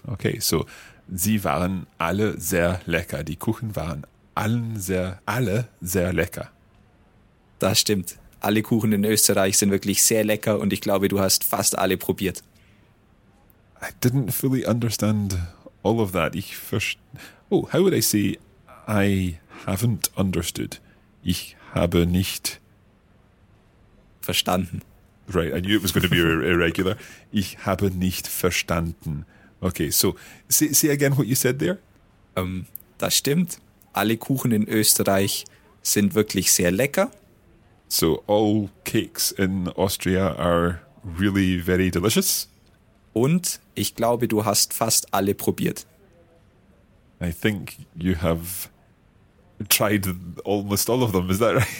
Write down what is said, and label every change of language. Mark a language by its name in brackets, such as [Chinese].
[German] Okay, so, sie waren alle sehr lecker. Die Kuchen waren alle sehr lecker. Das stimmt. Alle Kuchen in Österreich sind wirklich sehr lecker und ich glaube, du hast fast alle probiert. [English] I didn't fully understand all of that. How would I say I haven't understood? [German] Ich habe nicht verstanden. [English] Right, I knew it was going to be irregular. [German] Ich habe nicht verstanden. [English] Okay, so say again what you said there. [German] Das stimmt. Alle Kuchen in Österreich sind wirklich sehr lecker. [English] So all cakes in Austria are really very delicious. [German] Und ich glaube, du hast fast alle probiert. [English] I think you have tried almost all of them, is that right?